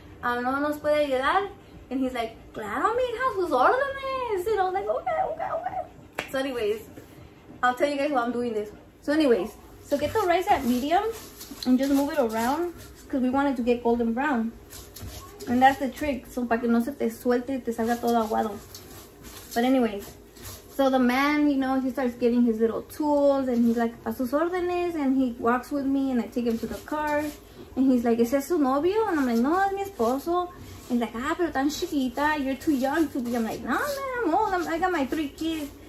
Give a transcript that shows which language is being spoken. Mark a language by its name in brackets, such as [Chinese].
[Spanish] ¿No nos puede ayudar? [English] And he's like, [Spanish] claro, mija, sus órdenes. [English] And I was like, okay. So anyways, I'll tell you guys while I'm doing this. So anyways, so get the rice at medium and just move it around because we want it to get golden brown. And that's the trick. [Spanish] So para que no se te suelte y te salga todo aguado. [English] But anyways, so the man, you know, he starts getting his little tools and he's like, [Spanish] a sus órdenes, [English] and he walks with me and I take him to the car and he's like, [Spanish] ¿es ese su novio? [English] And I'm like, [Spanish] no, es mi esposo. [English] And he's like, [Spanish] ah, pero tan chiquita, [English] you're too young to be. I'm like, no, man, I'm old, I got my 3 kids.